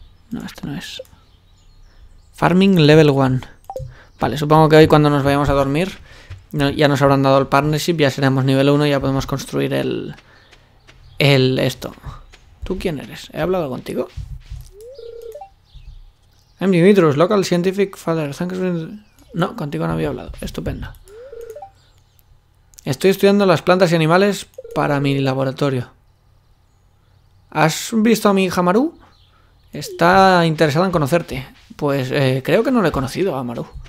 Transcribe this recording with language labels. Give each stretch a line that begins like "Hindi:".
Spanish: No, esto no es.
English: Farming level 1.
Spanish: Vale, supongo que hoy cuando nos vayamos a dormir ya nos habrán dado el partnership, ya seremos nivel 1 y ya podemos construir el esto. ¿Tú quién eres? ¿He hablado contigo?
English: I'm Dimitrius, local scientific father. Thanks for...
Spanish: No, contigo no había hablado. Estupendo. Estoy estudiando las plantas y animales para mi laboratorio. ¿Has visto a mi hija Maru? Está interesada en conocerte. Pues creo que no le he conocido a Maru.